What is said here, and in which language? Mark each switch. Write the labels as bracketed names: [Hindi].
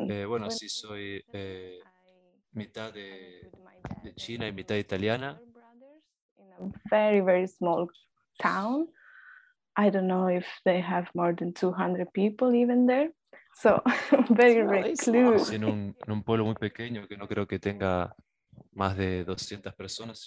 [Spanish] bueno, sí, soy mitad de China y mitad italiana. [English] In a very very small town, I don't know if they have more than 200 people even there. So very recluse. [Spanish] Sí, en un pueblo muy pequeño que no creo que tenga más de 200 personas.